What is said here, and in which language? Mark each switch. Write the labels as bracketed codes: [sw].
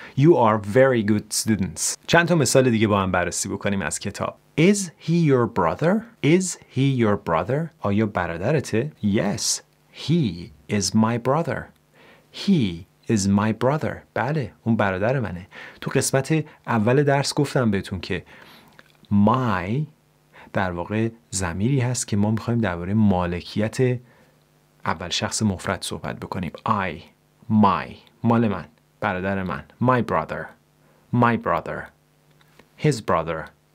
[en] You are very good students. [fa] چند تا مثال دیگه با هم بررسی بکنیم از کتاب. [en] Is he your brother? Is he your brother? [fa] آیا برادرته؟ [en] Yes, he is my brother. He is my brother. [fa] بله، اون برادر منه. تو قسمت اول درس گفتم بهتون که my در واقع ضمیری هست که ما میخواییم درباره مالکیت اول شخص مفرد صحبت بکنیم. [en] I, my, [fa] مال من، برادر من. [en] My brother, his brother.